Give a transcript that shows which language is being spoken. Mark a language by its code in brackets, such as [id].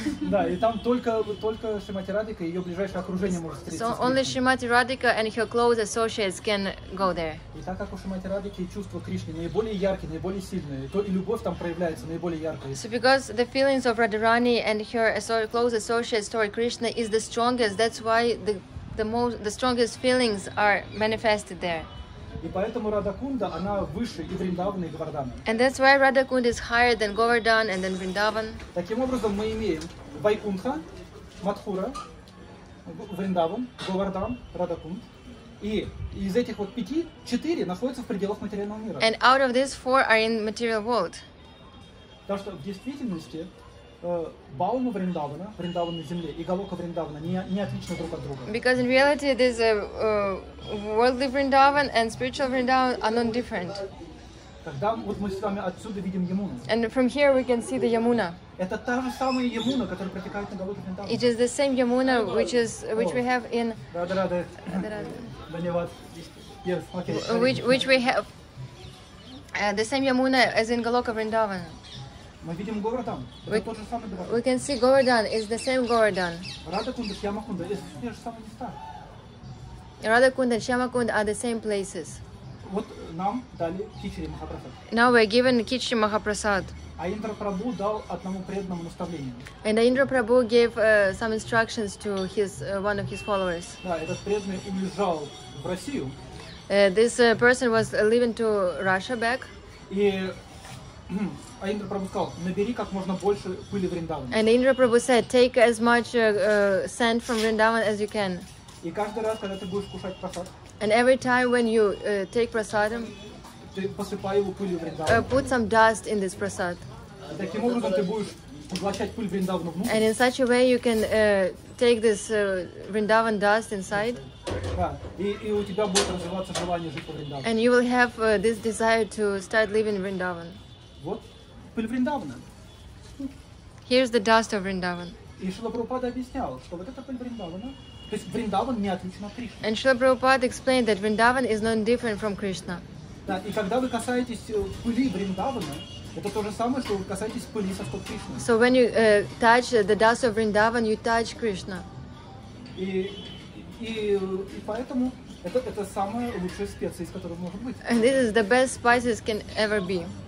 [ru] Да, и там только Шримати Радика и ее ближайшее окружение может встретиться. [en] So only Шримати Радика and her close associates can go there. [ru] И так как у Шримати Радики чувства Кришны наиболее яркие, наиболее сильные, то и любовь там проявляется наиболее ярко. [en] So because the feelings of Radharani and her close associates toward Krishna is the strongest, that's why the strongest feelings are manifested there. [ru] И поэтому Радакунда, она выше и Вриндавана, и Говардана. [en] And that's why Radakund is higher than Govardhan and then Vrindavan. [ru] Таким образом, мы имеем Вайкунха, Матхура, Вриндаван, Говардан, Радакунд. И из этих вот пяти, четыре находятся в пределах материального мира. [en] And out of these four are in material world. [ru] Так что в действительности Баума Вриндавана, Вриндаван на земле, и Галока Вриндавана не отличны друг от друга. [en] Because in reality there's a worldly Vrindavan and spiritual Vrindavan are not different. [ru] Тогда вот мы с вами отсюда видим Ямуну. [en] And from here we can see the Yamuna. [ru] Это та же самая Ямуна, которая протекает на Галоке Вриндавана. [en] It is the same Yamuna which we have in Радарада. Даниват. Yes, okay. Which we have the same Yamuna as in Galoka Vrindavana. [ru] Мы видим Говардан. Это тот же самый Говардан. [en] We can see Govardhan. It's the same Govardhan. [ru] Радакунда, Шьямакунда. Это те же самые места. [en] Радакунда and Шьямакунда are the same places. [ru] Вот нам дали Кичри Махапрасад. [en] Now we're given Кичри Махапрасад. [ru] А Индра Прабху дал одному преданному наставление. [en] And Indra Prabhu gave some instructions to his one of his followers. [ru] Да, этот преданный уезжал в Россию. [en] This person was leaving to Russia back. [ru] И А Индра Прабху сказал, набери как можно больше пыли в Риндаване. [en] And Indra Prabhu said, take as much sand from Vrindavan as you can. [ru] И каждый раз, когда ты будешь кушать прасад, [en] and every time when you take prasadam, [ru] ты посыпай его пылью в Риндаване. [en] Put some dust in this prasad. [ru] Таким образом ты будешь поглощать пыль Вриндавана внутрь. [en] And in such a way you can take this Vrindavan dust inside. [ru] Да. И у тебя будет развиваться желание жить в Риндаване. [en] And you will have this desire to start living in Vrindavan. [ru] Вот пыль Вриндавана. [en] Here's the dust of Vrindavan. [ru] И Шрила Прабхупада объяснял, что вот эта пыль Вриндавана, то есть Вриндаван не отличен от Кришны. [en] And Шрила Прабхупада explained that Vrindavan is not different from Krishna. [ru] Да, и когда вы касаетесь пыли Вриндавана, это то же самое, что вы касаетесь пыли со стоп Кришны. [en] So when you touch the dust of Vrindavan, you touch Krishna. [ru] И поэтому это самая лучшая специя, из которой может быть. [en] And this is the best spices can ever be.